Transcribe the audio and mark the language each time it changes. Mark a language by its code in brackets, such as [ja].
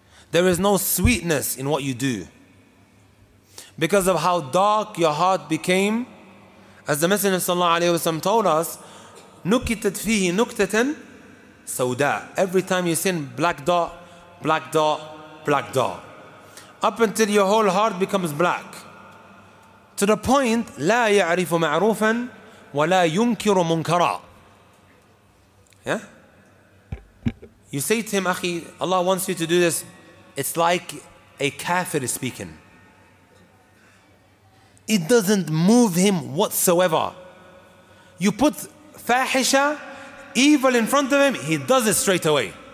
[en] There is no sweetness in what you do because of how dark your heart became. As the Messenger sallallahu alayhi wa sallam told us, [ar] نُكِتَتْ فِيهِ نُكْتَةً سَوْدَى. [en] Every time you sin, black dot, black dot, black dot. Up until your whole heart becomes black. To the point, [ar] لَا يَعْرِفُ مَعْرُوفًا وَلَا يُنْكِرُ مُنْكَرًا. [en] Yeah? You say to him, Akhi, Allah wants you to do this. It's like a kafir is speaking. It doesn't move him whatsoever. You put fahisha, evil in front of him, he does it straight away.